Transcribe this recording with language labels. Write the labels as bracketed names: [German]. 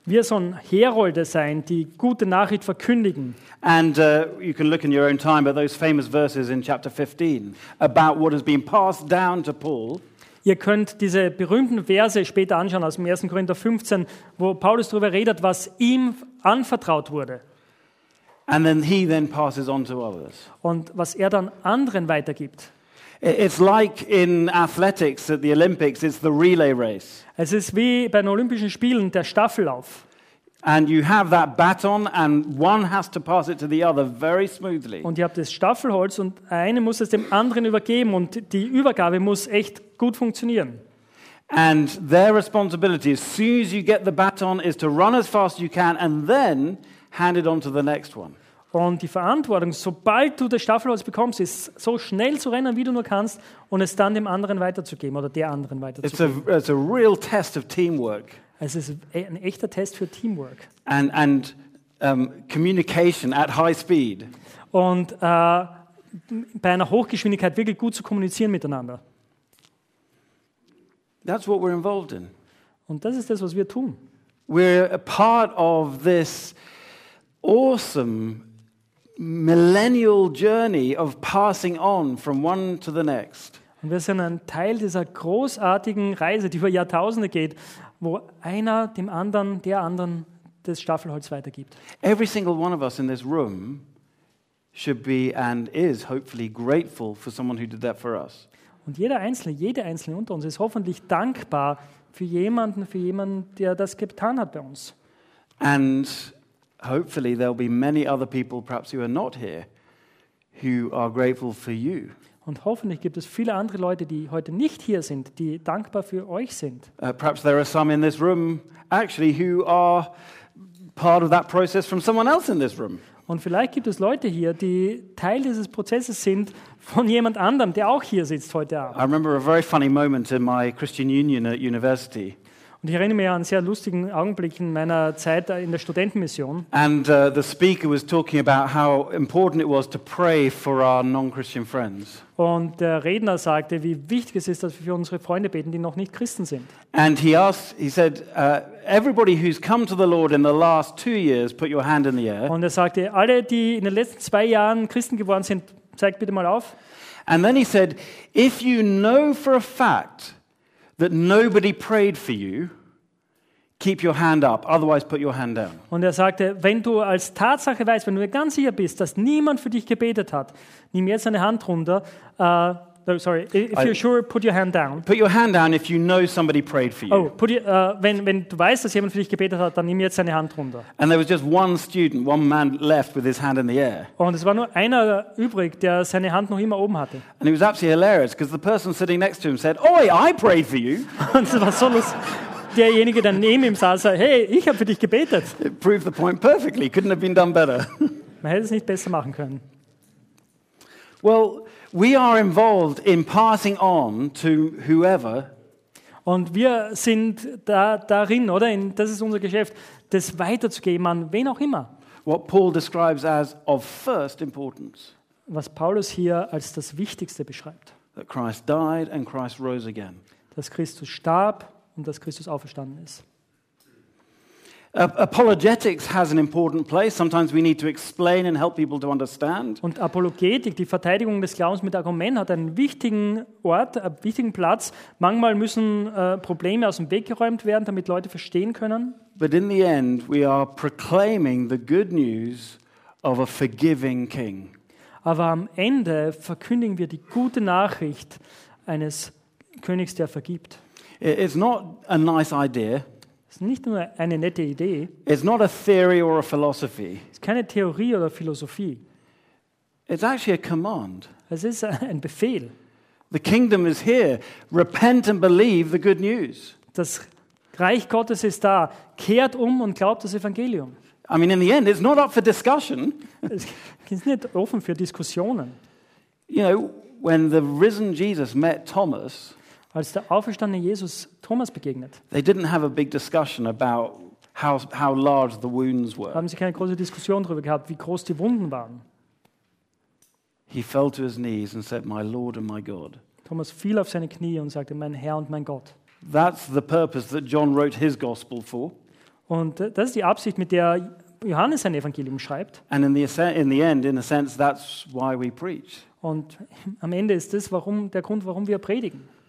[German] Wir sollen Herolde sein, die gute Nachricht verkündigen. [English] And you can look in your own time at those famous verses in chapter 15 about what has been passed down to Paul. [German] Ihr könnt diese berühmten Verse später anschauen aus dem 1. Korinther 15, wo Paulus darüber redet, was ihm anvertraut wurde. [English] And then he then passes on to others. [German] Und was er dann anderen weitergibt. [English] It's like in athletics at the Olympics, it's the relay race. [German] Es ist wie bei den Olympischen Spielen der Staffellauf. [English] And you have that baton and one has to pass it to the other very smoothly. [German] Und ihr habt das Staffelholz und einer muss es dem anderen übergeben und die Übergabe muss echt gut funktionieren. [English] And their responsibility as soon as you get the baton is to run as fast as you can and then hand it on to the next one. [German] Und die Verantwortung, sobald du das Staffelholz bekommst, ist so schnell zu rennen, wie du nur kannst und es dann dem anderen weiterzugeben oder der anderen weiterzugeben. [English] It's a real test of teamwork. [German] Es ist ein echter Test für Teamwork. [English] And communication at high speed. [German] Und bei einer Hochgeschwindigkeit wirklich gut zu kommunizieren miteinander. [English] That's what we're involved in. [German] Und das ist das, was wir tun. [English] We're a part of this awesome millennial journey of passing on from one to the next. [German] Und wir sind ein Teil dieser großartigen Reise, die über Jahrtausende geht, wo einer dem anderen, der anderen das Staffelholz weitergibt. [English] Every single one of us in this room should be and is hopefully grateful for someone who did that for us. [German] Und jede einzelne unter uns ist hoffentlich dankbar für jemanden, der das getan hat bei uns. [English] And hopefully there'll be many other people, perhaps who are not here, who are grateful for you. [German] Und hoffentlich gibt es viele andere Leute, die heute nicht hier sind, die dankbar für euch sind. [English] Perhaps there are some in this room actually who are part of that process from someone else in this room. [German] Und vielleicht gibt es Leute hier, die Teil dieses Prozesses sind von jemand anderem, der auch hier sitzt heute Abend. [English] I remember a very funny moment in my Christian Union at university. [German] Und ich erinnere mich an einen sehr lustigen Augenblick in meiner Zeit in der Studentenmission. [English] And the speaker was talking about how important it was to pray for our non-Christian friends. [German] Und der Redner sagte, wie wichtig es ist, dass wir für unsere Freunde beten, die noch nicht Christen sind. [English] And he said, everybody who's come to the Lord in the last 2 years, put your hand in the air. [German] Und er sagte, alle, die in den letzten 2 Jahren Christen geworden sind, zeigt bitte mal auf. [English] And then he said, if you know for a fact that nobody prayed for you, keep your hand up, otherwise put your hand down. [German] Und er sagte, wenn du als Tatsache weißt, wenn du dir ganz sicher bist, dass niemand für dich gebetet hat, nimm jetzt deine Hand runter. [English] If you're sure, put your hand down. Put your hand down if you know somebody prayed for you. [German] Oh, wenn du weißt, dass jemand für dich gebetet hat, dann nimm jetzt deine Hand runter. [English] And there was just one student, one man left with his hand in the air. [German] Und es war nur einer übrig, der seine Hand noch immer oben hatte. [English] And it was absolutely hilarious because the person sitting next to him said, "Oi, I prayed for you." [German] Und es war so lustig. Derjenige, der neben ihm saß, sagte, "Hey, ich habe für dich gebetet." [English] It proved the point perfectly. Couldn't have been done better. [German] Man hätte es nicht besser machen können. [English] Well, we are involved in passing on to whoever. [German] Und wir sind da darin, oder? Das ist unser Geschäft, das weiterzugeben an wen auch immer. [English] What Paul describes as of first importance. [German] Was Paulus hier als das Wichtigste beschreibt. [English] That Christ died and Christ rose again. [German] Dass Christus starb und dass Christus auferstanden ist. [English] Apologetics has an important place. Sometimes we need to explain and help people to understand. [German] Und Apologetik, die Verteidigung des Glaubens mit Argumenten, hat einen wichtigen Platz. Manchmal müssen Probleme aus dem Weg geräumt werden, damit Leute verstehen können. [English] But in the end, we are proclaiming the good news of a forgiving King. [German] Aber am Ende verkündigen wir die gute Nachricht eines Königs, der vergibt. [English] It's not a nice idea. [German] Es ist nicht nur eine nette Idee. [English] It's not a theory or a philosophy. [German] Es ist keine Theorie oder Philosophie. [English] It's actually a command. [German] Es ist ein Befehl. [English] The kingdom is here. Repent and believe the good news. [German] Das Reich Gottes ist da. Kehrt um und glaubt das Evangelium. [English] I mean, in the end, it's not up for discussion. [German] Es ist nicht offen für Diskussionen. [English] You know, when the risen Jesus met Thomas, [German] als der auferstandene Jesus Thomas begegnet, [English] they didn't have a big discussion about how large the wounds were. [German] Haben sie keine große Diskussion darüber gehabt, wie groß die Wunden waren? [English] He fell to his knees and said, "My Lord and my God." [German] Thomas fiel auf seine Knie und sagte, "Mein Herr und mein Gott." [English] That's the purpose that John wrote his gospel for. [German] Und das ist die Absicht, mit der Johannes sein Evangelium schreibt. [English] And in the end, in a sense, that's why we preach. [German] Und am Ende ist das, warum der Grund, warum wir predigen.